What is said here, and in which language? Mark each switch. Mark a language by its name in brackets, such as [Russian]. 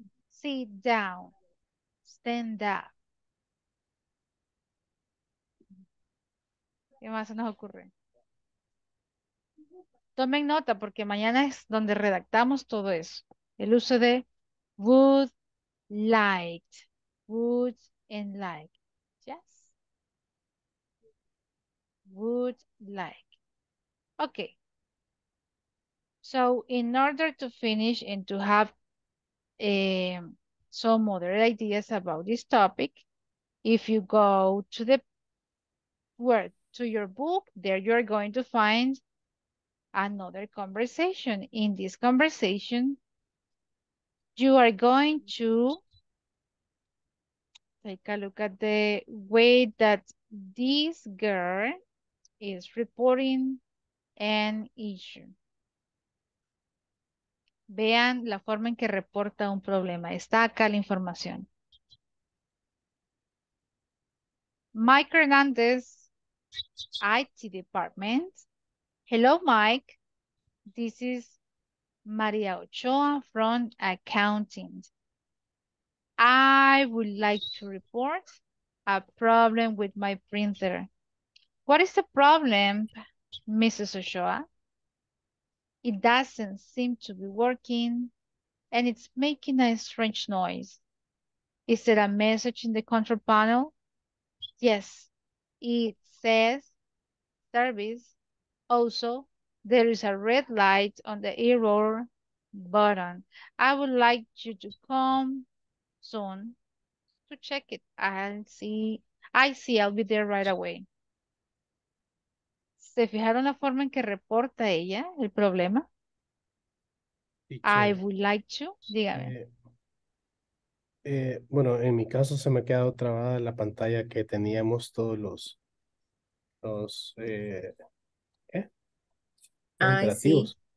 [English] Sit down, stand up. [Spanish] ¿Qué más se nos ocurre? Tomen nota porque mañana es donde redactamos todo eso. El uso de would, liked, would and liked. [English] Would like. Okay. So in order to finish and to have some moderate ideas about this topic, if you go to the word to your book, there you are going to find another conversation. In this conversation, you are going to take a look at the way that this girl is reporting an issue. [Spanish] Vean la forma en que reporta un problema. Está acá la información. [English] Mike Hernandez, IT department. Hello, Mike. This is Maria Ochoa from accounting. I would like to report a problem with my printer. What is the problem, Mrs. Ochoa? It doesn't seem to be working and it's making a strange noise. Is there a message in the control panel? Yes, it says service. Also, there is a red light on the error button. I would like you to come soon to check it. I'll be there right away. [Spanish] ¿Se fijaron la forma en que reporta ella el problema? [English] Teacher, I would like to. [Spanish] Dígame. Bueno, en mi caso se me ha quedado trabada la pantalla que teníamos todos los imperativos.